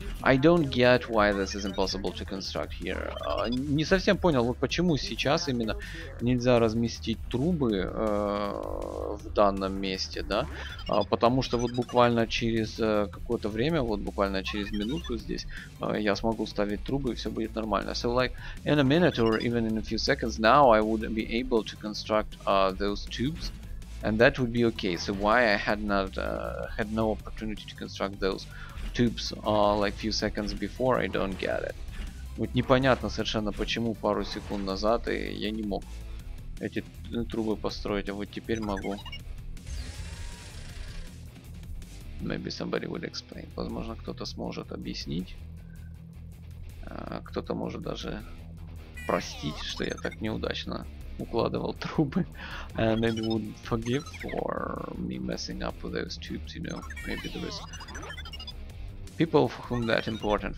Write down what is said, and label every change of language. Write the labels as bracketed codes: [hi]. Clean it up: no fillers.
[en] I don't get why this is impossible to construct here. [ru] Не совсем понял, вот почему сейчас именно нельзя разместить трубы в данном месте, да? Потому что вот буквально через какое-то время, вот буквально через минуту здесь, я смогу ставить трубы и все будет нормально. [en] So like in a minute or even in a few seconds now I would be able to construct those tubes. And that would be okay. So why I had not had no opportunity to construct those tubes like few seconds before, I don't get it. [ru] Вот непонятно совершенно, почему пару секунд назад я не мог эти трубы построить, а вот теперь могу. [en] Maybe somebody would explain. [ru] Возможно, кто-то сможет объяснить. Кто-то может даже простить, что я так неудачно укладывал трубы, [en] and they would forgive for me messing up with those tubes, you know. Maybe there is people for whom that important.